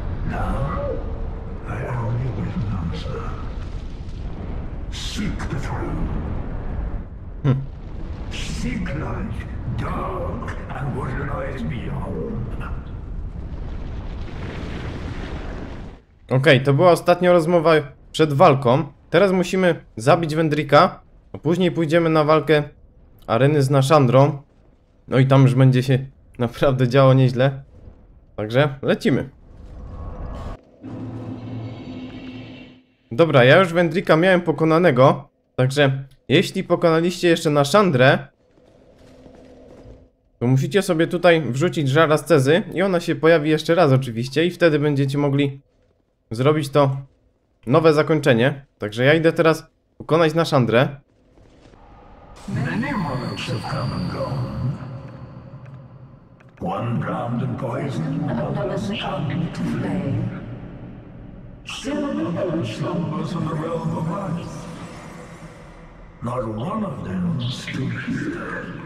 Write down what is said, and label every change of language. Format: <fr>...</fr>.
<en>Now, I only await an answer. Seek the throne. Seek light, dark, and what lies beyond.</en> <pl>Okej, to była ostatnia rozmowa przed walką. Teraz musimy zabić Vendrika, a później pójdziemy na walkę areny z Nashandrą. No i tam już będzie się naprawdę działo nieźle. Także lecimy. Dobra, ja już Vendrika miałem pokonanego. Także jeśli pokonaliście jeszcze Nashandrę, to musicie sobie tutaj wrzucić żar ascezy i ona się pojawi jeszcze raz oczywiście. I wtedy będziecie mogli zrobić to nowe zakończenie. Także ja idę teraz pokonać Nashandrę.</pl> <en>Many monarchs have come and gone. One drowned in poison, another succumbed to flame. Still another slumbers in the realm of ice. Not one of them stood here.</en>